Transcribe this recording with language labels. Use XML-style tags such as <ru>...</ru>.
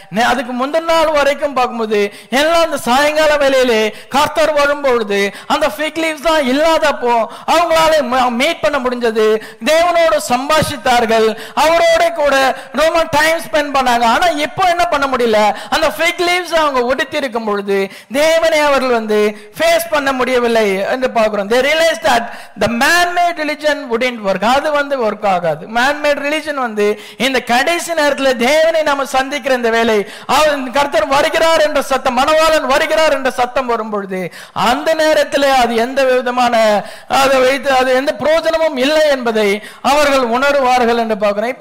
<ta>அதுக்கு முந்தின நாள் வரைக்கும் பார்க்கும்போது எல்லாம் அந்த சாயங்கால வேளையிலே கர்த்தர் வரும்பொழுது அந்த ஃபிக் லீவ்ஸ் தான் இல்லாதப்போ அவங்களால மீட் பண்ண முடிஞ்சது. தேவனோடு சம்பாஷித்தார்கள், அவரோட கூட ரொம்ப டைம் ஸ்பெண்ட் பண்ணாங்க. ஆனா இப்போ என்ன பண்ண முடியல? அந்த ஃபிக் லீவ்ஸ் அவங்க உடுத்தி இருக்கும் பொழுது தேவனை அவர்கள் வந்து ஃபேஸ் பண்ண முடியவில்லை என்று பார்க்கிறோம்.</ta> <en>They realized that the man-made religion wouldn't work.</en> <ta>அது வந்து ஒர்க் ஆகாது. Man-made religion வந்து இந்த கடைசி நேரத்தில் தேவனை நாம சந்திக்கிற இந்த வேளை கர்த்தர் வருகிறார் என்ற சத்தம், மனவாளன் வருகிறார் என்ற சத்தம் வரும் பொழுது அந்த நேரத்தில் அது எந்த விதமான அதை வைத்து அது எந்த பிரயோஜனமும் இல்லை என்பதை அவர்கள் உணர்வார்கள் என்று பார்க்கிறோம்.</ta>